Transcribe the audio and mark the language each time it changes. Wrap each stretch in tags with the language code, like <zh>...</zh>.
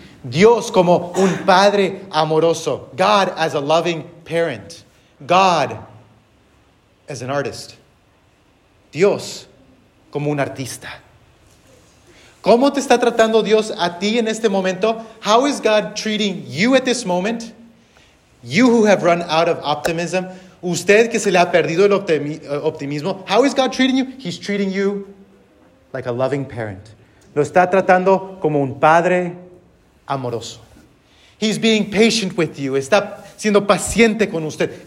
<es>Dios como un padre amoroso.</es> <en>God as a loving parent. God as an artist.</en> <es>Dios como un artista. ¿Cómo te está tratando Dios a ti en este momento?</es> <en>How is God treating you at this moment? You who have run out of optimism.</en> <es>Usted que se le ha perdido el optimismo.</es> <en>How is God treating you? He's treating you like a loving parent.</en> <es>Lo está tratando como un padre amoroso.</es> <en>He's being patient with you.</en> <es>Está siendo paciente con usted.</es>